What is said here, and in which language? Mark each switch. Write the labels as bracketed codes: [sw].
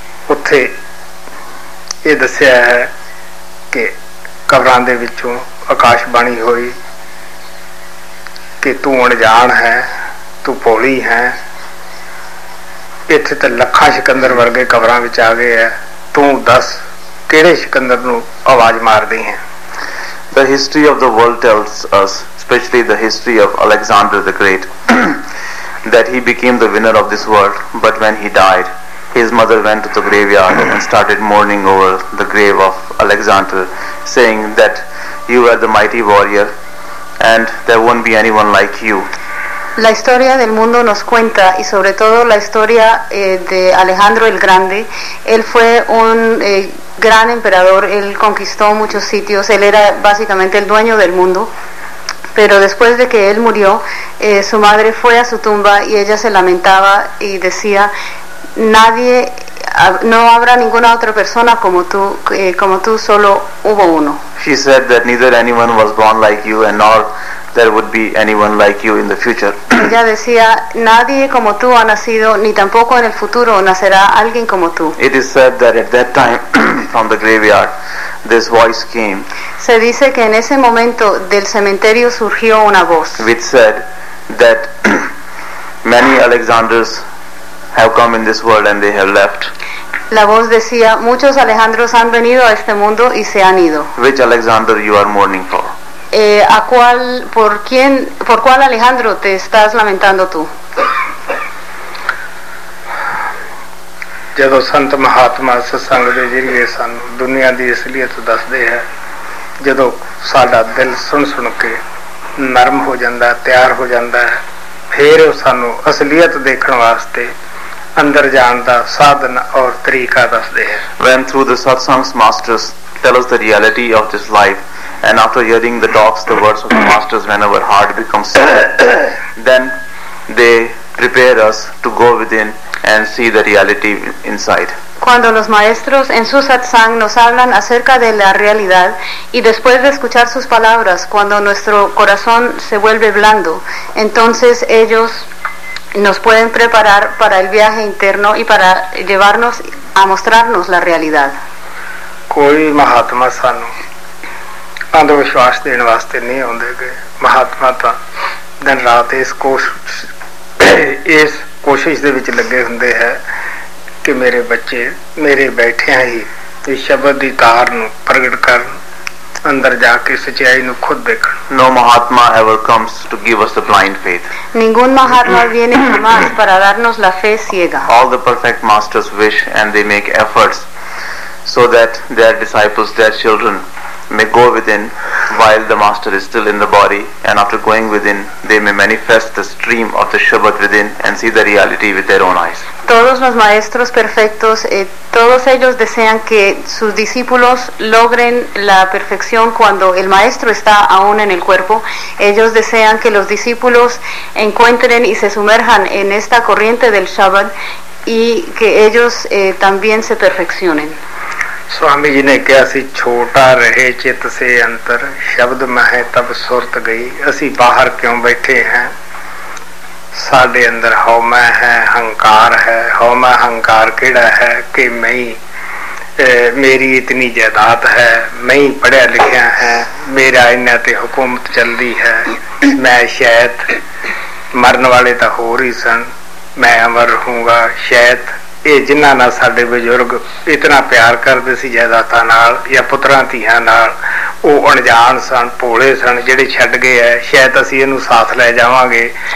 [pa] ਉੱਥੇ ਇਹ ਦੱਸਿਆ ਹੈ ਕਿ ਕਬਰਾਂ ਦੇ ਵਿੱਚੋਂ ਆਕਾਸ਼ ਬਾਣੀ ਹੋਈ ਕਿ ਤੂੰ ਅਣਜਾਣ ਹੈ, ਤੂੰ ਪੌੜੀ ਹੈ, ਇੱਥੇ ਤਾਂ ਲੱਖਾਂ ਸ਼ਿਕੰਦਰ ਵਰਗੇ ਕਬਰਾਂ ਵਿੱਚ ਆ ਗਏ ਹੈ, ਤੂੰ ਦੱਸ ਕਿਹੜੇ ਸ਼ਿਕੰਦਰ ਨੂੰ ਆਵਾਜ਼ ਮਾਰਦੀ ਹੈ? [en] The history of the world tells us, especially the history of Alexander the Great, that he became the winner of this world, but when he died, his mother went to the graveyard and started mourning over the grave of Alexander, saying that you were the mighty warrior and there won't be anyone like you. [es] La historia del mundo nos cuenta, y sobre todo la historia de Alejandro el Grande, él fue un gran emperador, él conquistó muchos sitios, él era básicamente el dueño del mundo, pero después de que él murió, su madre fue a su tumba y ella se lamentaba y decía, nadie, no habrá ninguna otra persona como tú, como tú solo hubo uno. [en] She said that neither anyone was born like you and nor there would be anyone like you in the future. [es] Ella decía, nadie como tú ha nacido, ni tampoco en el futuro nacerá alguien como tú. [en] It is said that at that time, from the graveyard, this voice came. [es] Se dice que en ese momento del cementerio surgió una voz. [en] Which said that many Alexanders have come in this world and they have left. [es] La voz decía, muchos Alejandros han venido a este mundo y se han ido. [en] Which Alexander you are mourning for? [es] ¿A cuál, por quién, por cuál Alejandro te estás lamentando tú? [pa] ਜਦੋਂ ਸੰਤ ਮਹਾਤਮਾ ਸਤਸੰਗ ਦੇ ਜ਼ਰੀਏ ਸਾਨੂੰ ਦੁਨੀਆਂ ਦੀ ਅਸਲੀਅਤ ਦੱਸਦੇ ਹੈ, ਜਦੋਂ ਸਾਡਾ ਦਿਲ ਸੁਣ ਸੁਣ ਕੇ ਨਰਮ ਹੋ ਜਾਂਦਾ, ਤਿਆਰ ਹੋ ਜਾਂਦਾ ਹੈ, ਫਿਰ ਉਹ ਸਾਨੂੰ ਅਸਲੀਅਤ ਦੇਖਣ ਵਾਸਤੇ ਅੰਦਰ ਜਾਣ ਦਾ ਸਾਧਨ ਔਰ ਤਰੀਕਾ ਦੱਸਦੇ ਹੈ. [en] When through the satsangs masters tell us the reality of this life, and after hearing the talks, the words of the masters, when our heart becomes sad, then they prepare us to go within and see the reality inside. [es] Cuando los maestros en su satsang nos hablan acerca de la realidad, y después de escuchar sus palabras, cuando nuestro corazón se vuelve blando, entonces ellos nos pueden preparar para el viaje interno y para llevarnos a mostrarnos la realidad. [pa] Koi mahatma sanu andavishwas dene vaste nahi aunde ke mahatma ta din raat is ਕੋਸ਼ਿਸ਼ ਦੇ ਵਿੱਚ ਲੱਗੇ ਹੁੰਦੇ ਹੈ ਕਿ ਮੇਰੇ ਬੱਚੇ ਮੇਰੇ ਬੈਠਿਆਂ ਹੀ ਇਸ ਸ਼ਬਦ ਦੀ ਕਾਰ ਨੂੰ ਪ੍ਰਗਟ ਕਰਨ, ਅੰਦਰ ਜਾ ਕੇ ਸੱਚਾਈ ਨੂੰ ਖੁਦ ਦੇਖਣ. [en] No Mahatma ever comes to give us the blind faith. [es] Ningún Mahatma viene jamás para darnos la fe ciega. [en] All the perfect masters wish and they make efforts so that their disciples, their children may go within while the master is still in the body, and after going within they may manifest the stream of the Shabad within and see the reality with their own eyes. [es] Todos los maestros perfectos, todos ellos desean que sus discípulos logren la perfección cuando el maestro está aún en el cuerpo. Ellos desean que los discípulos encuentren y se sumerjan en esta corriente del Shabad y que ellos también se perfeccionen. [pa] Swami ji ਨੇ ਕਿਹਾ ਸੀ, ਛੋਟਾ ਰਹੇ ਚਿੱਤ ਸੇ ਅੰਤਰ, ਸ਼ਬਦ ਮਹਿ ਤਬ ਸੁਰਤ ਗਈ. ਅਸੀਂ ਬਾਹਰ ਕਿਉਂ ਬੈਠੇ ਹਾਂ? ਸਾਡੇ ਅੰਦਰ ਹਉਮੈ ਹੈ, ਹੰਕਾਰ ਹੈ. ਹਉਮੈ ਹੰਕਾਰ ਕਿਹੜਾ ਹੈ ਕਿ ਮੈਂ, ਮੇਰੀ ਇਤਨੀ ਜਾਇਦਾਦ ਹੈ, ਮੈਂ ਪੜ੍ਹਿਆ ਲਿਖਿਆ ਹੈ, ਮੇਰਾ ਇਹਨਾਂ 'ਤੇ ਹਕੂਮਤ ਚੱਲਦੀ ਹੈ, ਮੈਂ ਸ਼ਾਇਦ ਮਰਨ ਵਾਲੇ ਤਾਂ ਹੋਰ ਹੀ ਸਨ, ਮੈਂ ਅਮਰ ਰਹੂੰਗਾ, ਸ਼ਾਇਦ ਇਹ ਜਿਨ੍ਹਾਂ ਨਾਲ ਸਾਡੇ ਬਜ਼ੁਰਗ ਇਤਨਾ ਪਿਆਰ ਕਰਦੇ ਸੀ ਜਾਇਦਾਦਾਂ ਨਾਲ ਜਾਂ ਪੁੱਤਰਾਂ ਧੀਆਂ ਨਾਲ, ਉਹ ਅਣਜਾਣ ਸਨ, ਭੋਲੇ ਸਨ, ਜਿਹੜੇ ਛੱਡ ਗਏ ਹੈ, ਸ਼ਾਇਦ ਅਸੀਂ ਇਹਨੂੰ ਸਾਥ ਲੈ ਜਾਵਾਂਗੇ.